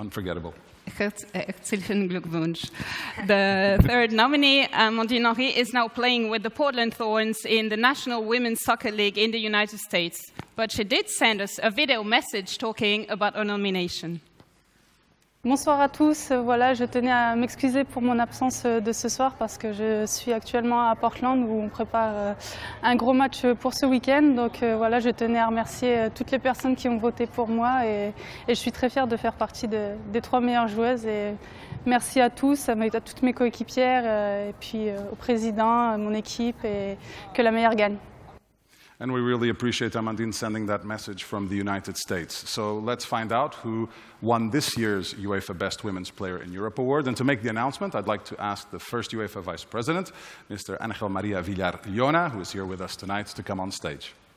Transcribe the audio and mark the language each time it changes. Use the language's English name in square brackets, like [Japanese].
[English] Unforgettable. [German] Herzlichen Glückwunsch. [English] The third nominee, Amandine Henry, is now playing with the Portland Thorns in the National Women's Soccer League in the United States. But she did send us a video message talking about her nomination. [French] Bonsoir à tous. Voilà, je tenais à m'excuser pour mon absence de ce soir parce que je suis actuellement à Portland où on prépare un gros match pour ce week-end. Donc voilà, je tenais à remercier toutes les personnes qui ont voté pour moi et je suis très fière de faire partie des trois meilleures joueuses. Et merci à tous, à toutes mes coéquipières et puis au président, à mon équipe et que la meilleure gagne. [English] And we really appreciate Amandine sending that message from the United States. So let's find out who won this year's UEFA Best Women's Player in Europe Award. And to make the announcement, I'd like to ask the first UEFA Vice President, Mr. Angel Maria Villar Llona, who is here with us tonight, to come on stage.